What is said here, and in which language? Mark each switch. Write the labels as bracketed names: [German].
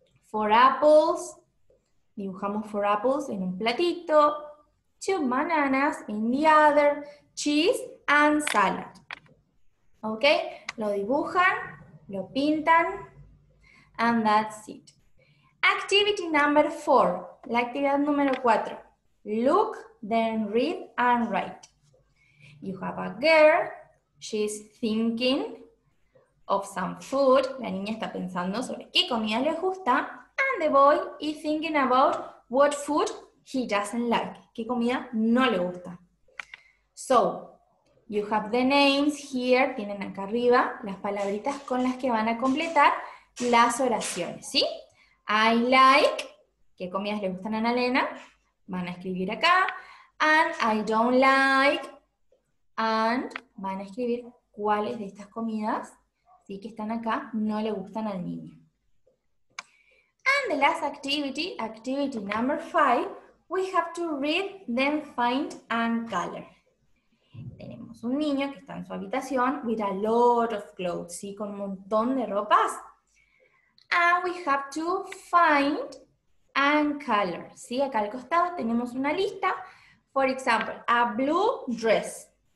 [English] Four apples, [Spanish] dibujamos [English] four apples [Spanish] en un platito, [English] two bananas in the other, cheese and salad, ¿ok? [Spanish] Lo dibujan, lo pintan, [English] and that's it. Activity number four, [Spanish] la actividad número cuatro. [English] Look, then read and write. You have a girl, she's thinking of some food. [Spanish] La niña está pensando sobre qué comida le gusta. [English] And the boy is thinking about what food he doesn't like. [Spanish] Qué comida no le gusta. [English] So, you have the names here, [Spanish] tienen acá arriba las palabritas con las que van a completar las oraciones, ¿sí? [English] I like, [Spanish] ¿qué comidas le gustan a Ana Elena? Van a escribir acá. [English] And I don't like, and [Spanish] van a escribir cuáles de estas comidas, ¿sí? Que están acá, no le gustan al niño. [English] And the last activity, activity number five, we have to read, then find and color. [Spanish] Tenemos un niño que está en su habitación [English] with a lot of clothes, [Spanish] ¿sí? Con un montón de ropas. [English] And we have to find and color, ¿sí? [Spanish] Acá al costado tenemos una lista. [English] For example, a blue dress.